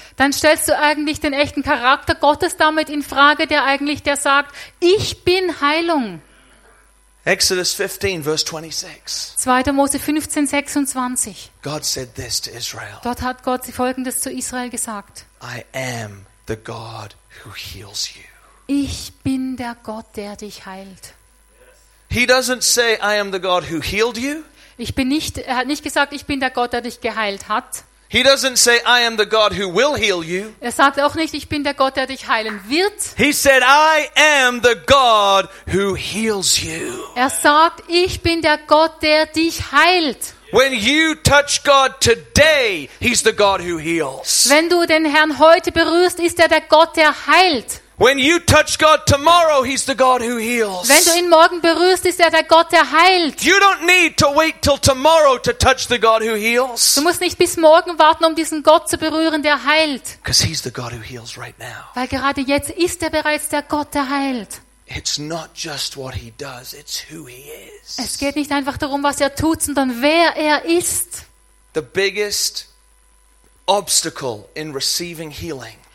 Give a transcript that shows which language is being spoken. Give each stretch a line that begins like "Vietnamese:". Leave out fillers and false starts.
German: Dann stellst du eigentlich den echten Charakter Gottes damit in Frage, der eigentlich der sagt, "Ich bin Heilung."
English: Exodus 15, verse 26.
German: 2. Mose 15, 26.
English: God said this to Israel.
German: Dort hat Gott Folgendes zu Israel gesagt.
English: I am the God who heals you.
German: Ich bin der Gott, der dich heilt.
English: He doesn't say, I am the God who healed you.
German: Er hat nicht gesagt, ich bin der Gott, der dich geheilt hat.
English: He doesn't say, I am the God who will heal you.
German: Er sagt auch nicht, ich bin der Gott, der dich heilen wird.
English: He said, I am the God who heals you.
German: Er sagt, ich bin der Gott, der dich heilt.
English: When you touch God today, he's the God who heals.
German: Wenn du den Herrn heute berührst, ist er der Gott, der heilt.
English: When you touch God tomorrow, he's the God who heals.
German: Wenn du ihn morgen berührst, ist er der Gott, der heilt.
English: You don't need to wait till tomorrow to touch the God who heals.
German: Du musst nicht bis morgen warten, um diesen Gott zu berühren, der heilt.
English: Because he's the God who heals right now.
German: Weil gerade jetzt ist er bereits der Gott, der heilt.
English: It's not just what he does, it's who he is.
German: Es geht nicht einfach darum, was er tut, sondern wer er ist.
English: The biggest obstacle in receiving healing.